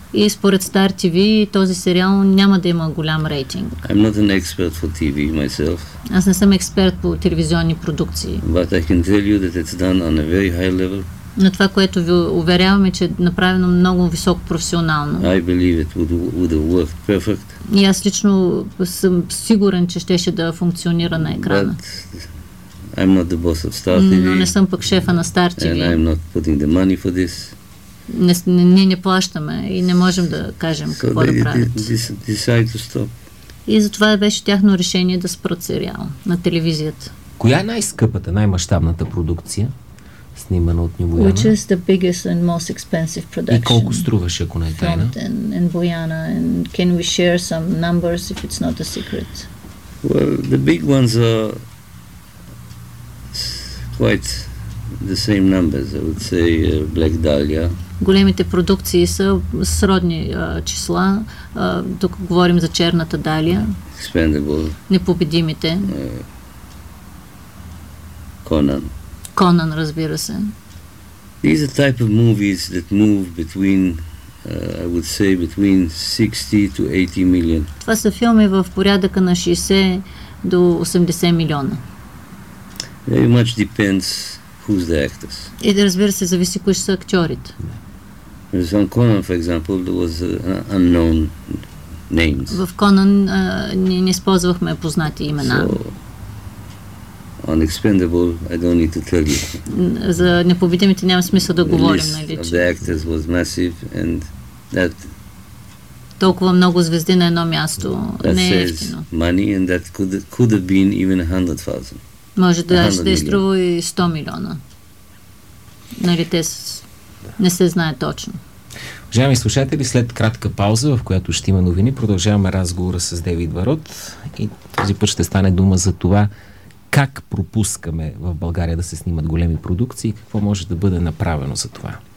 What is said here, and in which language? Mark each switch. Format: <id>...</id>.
<bg>И според Star TV този сериал няма да има голям рейтинг.</bg> <en>I'm not an expert for TV myself.</en> <bg>Аз не съм експерт по телевизионни продукции.</bg> <en>But I can tell you that it's done on a very high level.</en> <bg>На това, което ви уверяваме, че е направено много високо професионално.</bg> <en>I believe it would have worked perfect.</en> <bg>И аз лично съм сигурен, че щеше да функционира на екрана.</bg> <en>But I'm not the boss of Star TV.</en> <bg>Но не съм пък шефа на Star TV.</bg> <en>And I'm not putting the money for this.</en> <bg>Не плащаме и не можем да кажем какво да правят.</bg> <en>Decide to stop.</en> <bg>И затова беше тяхно решение да спрат сериал на телевизията. Коя е най-скъпата, най-мащабната продукция, снимана от Ню Бояна?</bg> <en>Which is the biggest and most expensive production.</en> <bg>И колко струваше, ако не е тайна?</bg> <en>And Bojana, and can we share some numbers if it's not a secret? Well, the big ones are quite the same numbers. I would say Black Dahlia.</en> <bg>Големите продукции са сродни числа, тук говорим за Черната Далия,</bg> <en>Expendable,</en> <bg>Непобедимите,</bg> <en>Conan,</en> <bg>Conan, разбира се,</bg> <en>These are type of movies that move between, I would say, between 60 to 80 million.</en> <bg>Това са филми в порядъка на 60 до 80 милиона.</bg> <en>Very much depends who's the actors.</en> <bg>И да, разбира се, зависи кои са актьорите.</bg> <en>There's on Conan, for example, there was unknown names.</en> <bg>В Conan не използвахме познати имена.</bg> <en>So, on Expendable, I don't need to tell you.</en> <bg>За непобедимите няма смисъл да говорим, нали?</bg> <en>The list of the actors was massive and that...</en> <bg>Толкова много звезди на едно място,</bg> <en>that</en> <bg>не е ефтино.</bg> <en>That says money and that could have been even 100,000.</en> <bg>Може да ще изтрува и 100 милиона. Нали, те не се знае точно. Уважаеми слушатели, след кратка пауза, в която ще има новини, продължаваме разговора с Дейвид Барот и този път ще стане дума за това как пропускаме в България да се снимат големи продукции и какво може да бъде направено за това.</bg>